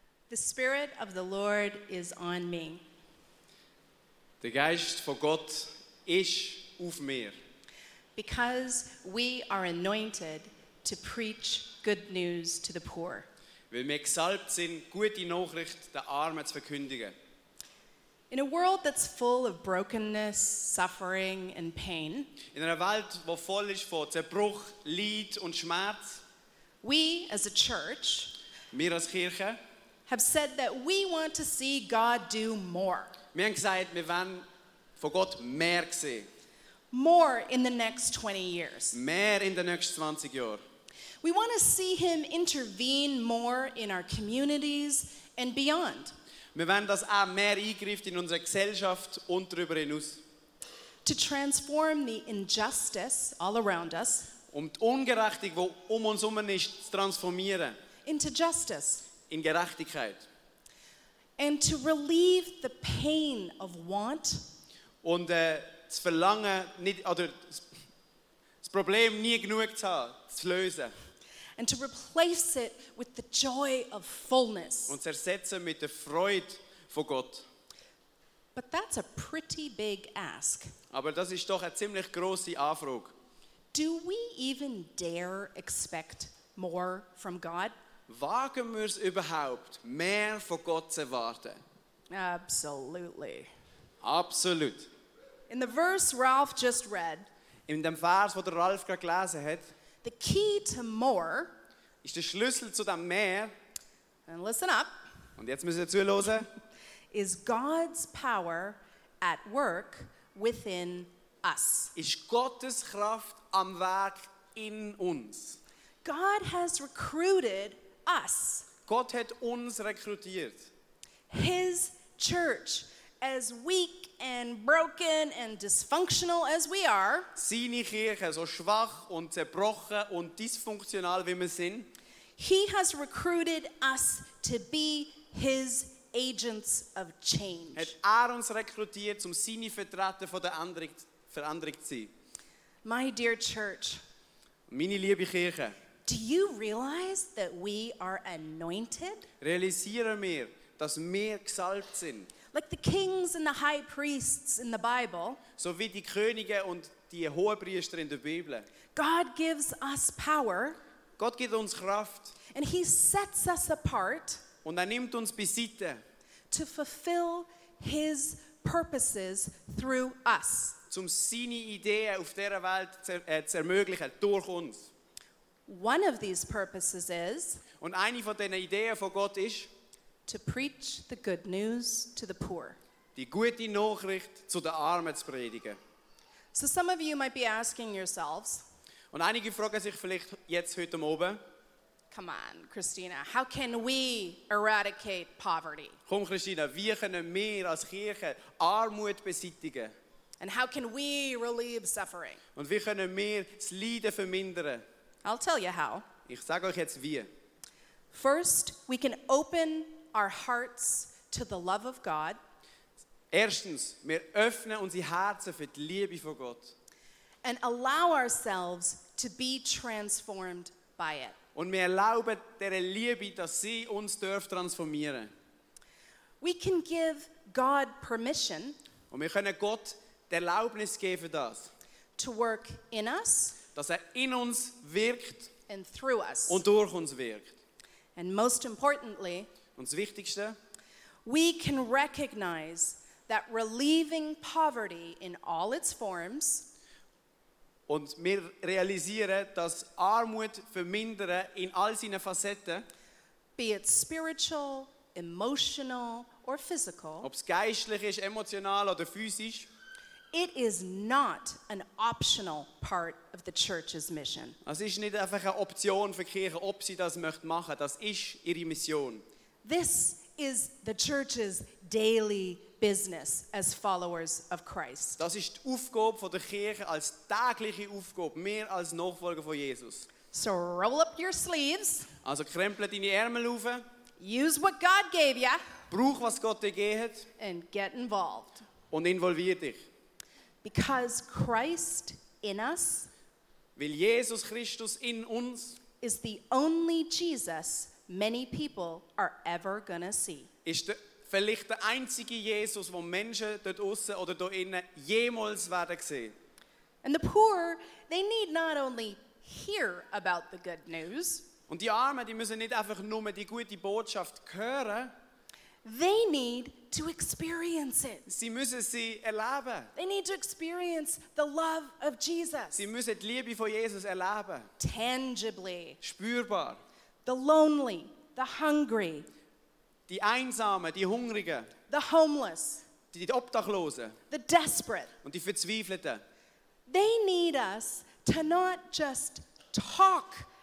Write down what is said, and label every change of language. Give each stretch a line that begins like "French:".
English: The Spirit of the Lord is on me.
German: Der Geist von Gott ist auf mir.
English: Because we are anointed to preach good news to the poor.
German: Weil wir gesalbt sind, gute Nachricht den Armen zu verkündigen.
English: In a world that's full of brokenness, suffering and pain,
German: in einer Welt, wo voll ist von Zerbruch, Leid und Schmerz,
English: we as a church,
German: wir als Kirche,
English: have said that we want to see God do more.
German: Wir haben gesagt, wir wollen von Gott mehr sehen.
English: More in the next 20 years.
German: Mehr in den nächsten 20 Jahren.
English: We want to see him intervene more in our communities and beyond.
German: Wir wollen, dass er mehr eingreift in unsere Gesellschaft und darüber hinaus.
English: To transform the injustice all around us.
German: Um die Ungerechtigkeit, die um uns herum ist, zu transformieren.
English: Into justice.
German: In Gerechtigkeit.
English: And to relieve the pain of want.
German: Und zu verlangen, nicht, oder das Problem nie genug zu haben, zu lösen.
English: And to replace it with the joy of fullness.
German: Und zu ersetzen mit der Freude von Gott.
English: But that's a pretty big ask.
German: Aber das ist doch eine ziemlich grosse Anfrage.
English: Do we even dare expect more from God?
German: Wagen wir es überhaupt, mehr von Gott zu erwarten?
English: Absolutely.
German: Absolut.
English: In the verse Ralph just read,
German: in dem Vers, wo der Ralph gerade gelesen hat,
English: the key to more,
German: ist der Schlüssel zu dem mehr,
English: and listen up,
German: und jetzt müssen wir zuhören,
English: is God's power at work within us.
German: Ist Gottes Kraft am Werk in uns.
English: God has recruited us.
German: Gott hat uns rekrutiert.
English: His church, as weak and broken and dysfunctional as we are,
German: seine Kirche, so schwach und zerbrochen und dysfunktional wie wir sind,
English: he has recruited us to be his agents of change.
German: Hat er uns rekrutiert, um seine Vertreter von der Veränderung zu sein.
English: My dear church,
German: meine liebe Kirche,
English: do you realize that we are anointed?
German: Realisieren wir, dass wir gesalbt sind?
English: Like the kings and the high priests in the Bible.
German: So wie die Könige und die Hohepriester in der Bibel.
English: God gives us power.
German: Gott gibt uns Kraft.
English: And he sets us apart.
German: Und er nimmt uns beiseite.
English: To fulfill his purposes through us.
German: Um seine Ideen auf dieser Welt zu ermöglichen, durch uns.
English: One of these purposes is,
German: und eine von diesen Ideen von Gott ist,
English: to preach the good news to the poor.
German: Die gute Nachricht zu den Armen zu predigen.
English: So some of you might be asking yourselves,
German: und einige fragen sich vielleicht jetzt heute oben,
English: come on, Christina, how can we eradicate poverty?
German: Komm, Christina, wie können wir als Kirche Armut beseitigen?
English: And how can we relieve suffering?
German: Und wie können wir das Leiden vermindern?
English: I'll tell you how.
German: Ich sage euch jetzt wie.
English: First, we can open our hearts to the love of God.
German: Erstens, wir öffnen unsere Herzen für die Liebe von Gott.
English: And allow ourselves to be transformed by it.
German: Und wir erlauben der Liebe, dass sie uns darf transformieren.
English: We can give God permission.
German: Und wir können Gott die Erlaubnis geben für das.
English: To work in us.
German: Dass er in uns wirkt
English: and through us.
German: Und durch uns wirkt.
English: And most importantly,
German: und das Wichtigste,
English: we can recognize that relieving poverty in all its forms,
German: und wir realisieren, dass Armut vermindern in all seinen Facetten,
English: be it spiritual, emotional or physical,
German: ob es geistlich ist, emotional oder physisch,
English: it is not an optional part of the church's mission.
German: Es ist nicht einfach eine Option für die Kirche, ob sie das möchte machen. Das ist ihre Mission.
English: This is the church's daily business as followers of Christ.
German: Das ist die Aufgabe von der Kirche als tägliche Aufgabe, mehr als Nachfolger von Jesus.
English: So roll up your sleeves.
German: Also krempel deine Ärmel auf.
English: Use what God gave you.
German: Brauch, was Gott dir gegeben hat.
English: And get involved.
German: Und involvier dich.
English: Because Christ in us,
German: weil Jesus Christus in uns,
English: is the only Jesus many people are ever gonna see.
German: Ist vielleicht der einzige Jesus, wo Menschen dort aussen oder dort innen jemals werden sehen.
English: And the poor, they need not only hear about the good news.
German: Und die Armen, die müssen nicht einfach nur die gute Botschaft hören.
English: They need to experience it.
German: Sie müssen sie erleben.
English: They need to experience the love of Jesus.
German: Sie müssen die Liebe von Jesus erleben.
English: Tangibly.
German: Spürbar.
English: The lonely, the hungry.
German: Die Einsamen, die Hungrigen.
English: The homeless.
German: Die Obdachlosen.
English: The desperate.
German: Und die Verzweifelten.
English: They need us to not just talk